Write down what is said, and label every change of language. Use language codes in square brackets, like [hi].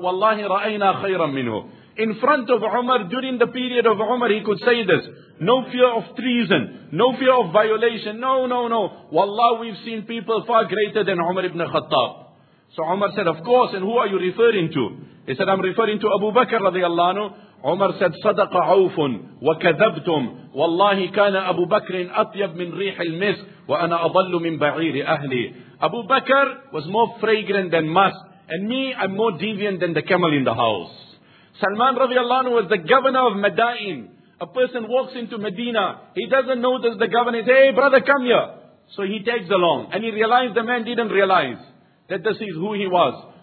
[ar] Wallahi ra'ayna khayran minhu. [en] In front of Umar, during the period of Umar, he could say this. No fear of treason. No fear of violation. No, no, no. Wallah, we've seen people far greater than Umar ibn Khattab. So Umar said, of course, and who are you referring to? He said, I'm referring to Abu Bakr radiallahu anhu. Umar said, [ar] صَدَقَ عَوْفٌ وَكَذَبْتُمْ وَاللَّهِ كَانَ أَبُو بَكْرٍ أَطْيَبْ مِنْ رِيحِ الْمِسْكِ وَأَنَا أَضَلُّ مِنْ بَعِيرِ أَهْلِي. [en] Abu Bakr was more fragrant than musk, and me, I'm more deviant than the camel in the house. Salman radiallahu anhu was the governor of Madain. A person walks into Medina, he doesn't know that the governor is, hey brother, come here. So he takes along, and he realized the man didn't realize that this is who he was.